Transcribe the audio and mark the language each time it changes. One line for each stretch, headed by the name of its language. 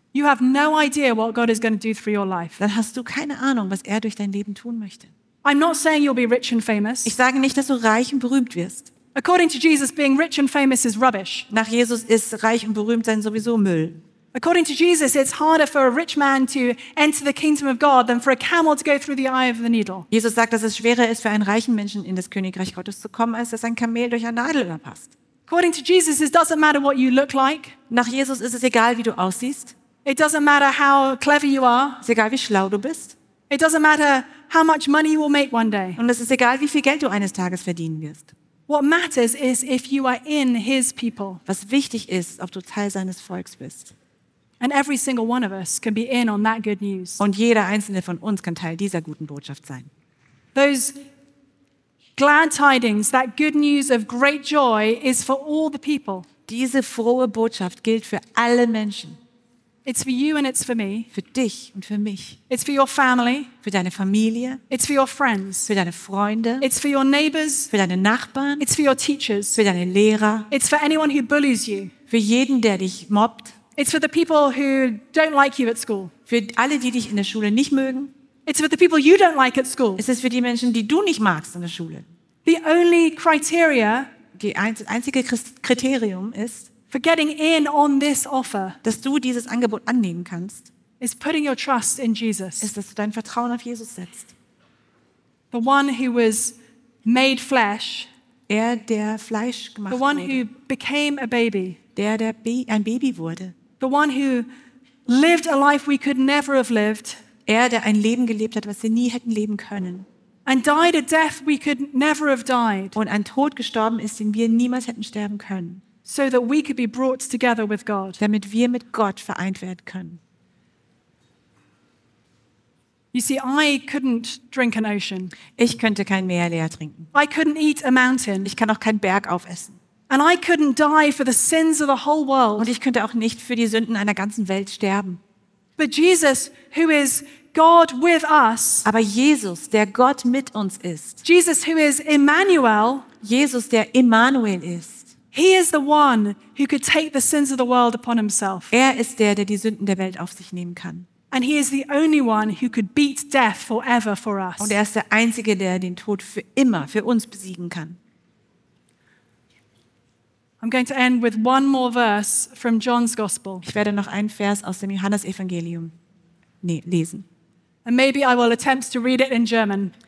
English: you have no idea what God is going to do through your life.
German: Dann hast du keine Ahnung, was er durch dein Leben tun möchte.
English: I'm not saying you'll be rich and famous.
German: Ich sage nicht, dass du reich und berühmt wirst.
English: According to Jesus, being rich and famous is rubbish.
German: Nach Jesus ist reich und berühmt sein sowieso Müll.
English: According to Jesus, it's harder for a rich man to enter the kingdom of God than for a camel to go through the eye of the needle.
German: Jesus sagt, dass es schwerer ist für einen reichen Menschen in das Königreich Gottes zu kommen, als dass ein Kamel durch ein Nadelöhr passt.
English: According to Jesus, it doesn't matter what you look like.
German: Nach Jesus ist es egal, wie du aussiehst.
English: It doesn't matter how clever you are.
German: Es ist egal, wie schlau du bist.
English: It doesn't matter how much money you will make one day.
German: Und es ist egal, wie viel Geld du eines Tages verdienen wirst.
English: What matters is if you are in his people.
German: Was wichtig ist, ob du Teil seines Volks bist.
English: And every single one of us can be in on that good news.
German: Und jeder einzelne von uns kann Teil dieser guten Botschaft sein.
English: Those glad tidings, that good news of great joy is for all the people.
German: Diese frohe Botschaft gilt für alle Menschen.
English: It's for you and it's for me.
German: Für dich und für mich.
English: It's for your family.
German: Für deine Familie.
English: It's for your friends.
German: Für deine Freunde.
English: It's for your neighbors.
German: Für deine Nachbarn.
English: It's for your teachers.
German: Für deine Lehrer.
English: It's for anyone who bullies you.
German: Für jeden, der dich mobbt.
English: It's for the people who don't like you at school.
German: Für alle, die dich in der Schule nicht mögen.
English: It's for the people you don't like at school.
German: Es ist für die Menschen, die du nicht magst in der Schule.
English: The only criteria.
German: Das einzige Kriterium ist.
English: For getting in on this offer,
German: dass du dieses Angebot annehmen kannst,
English: is putting your trust in Jesus.
German: Ist, dass du dein Vertrauen auf Jesus setzt.
English: The one who was made flesh,
German: er, der Fleisch gemacht wurde.
English: The one who became a baby,
German: der ein Baby wurde.
English: The one who lived a life we could never have lived,
German: er, der ein Leben gelebt hat, was wir nie hätten leben können.
English: And died a death we could never have died.
German: Und ein Tod gestorben ist, den wir niemals hätten sterben können.
English: So that we could be brought together with God.
German: Damit wir mit Gott vereint werden können.
English: You see, I couldn't drink an ocean.
German: Ich könnte kein Meer leer trinken.
English: I couldn't eat a mountain.
German: Ich kann auch keinen Berg aufessen.
English: And I couldn't die for the sins of the whole world.
German: Und ich könnte auch nicht für die Sünden einer ganzen Welt sterben.
English: But Jesus, who is God with us.
German: Aber Jesus, der Gott mit uns ist.
English: Jesus, who is Emmanuel.
German: Jesus, der Emmanuel ist.
English: He is the one who could take the sins of the world upon himself.
German: Er ist der, der die Sünden der Welt auf sich nehmen kann.
English: And he is the only one who could beat death forever for us.
German: Und er ist der einzige, der den Tod für immer für uns besiegen kann.
English: I'm going to end with one more verse from John's Gospel.
German: Ich werde noch einen Vers aus dem Johannesevangelium lesen.
English: And maybe I will attempt to read it in German.